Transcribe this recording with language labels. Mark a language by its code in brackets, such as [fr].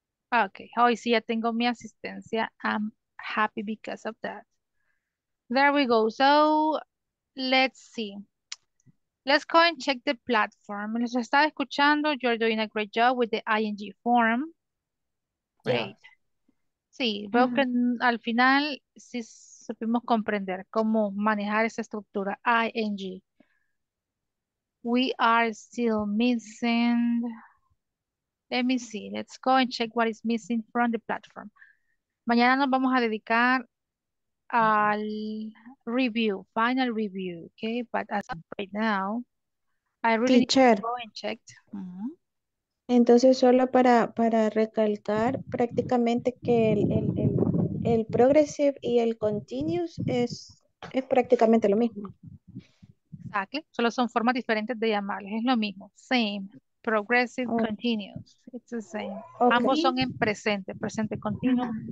[en] Okay, [es] hoy sí ya tengo mi asistencia. [en] I'm happy because of that. There we go. So, let's see. Let's go and check the platform. [es] Los estaba escuchando. [en] You're doing a great job with the ING form. Great. [es] Sí, veo que al final sí supimos comprender cómo manejar esa estructura ING. [en] We are still missing. Let me see. Let's go and check what is missing from the platform. [es] Mañana nos vamos a dedicar al review, final review. [en] Okay, but as of right now, I really need to go and check. [es] Entonces, solo para recalcar, prácticamente que el progressive y el continuous es prácticamente lo mismo. Exactly. Solo son formas diferentes de llamarles. Es lo mismo. Same. [en] Progressive, continuous. It's the same. Okay. [es] Ambos son en presente. Presente continuo.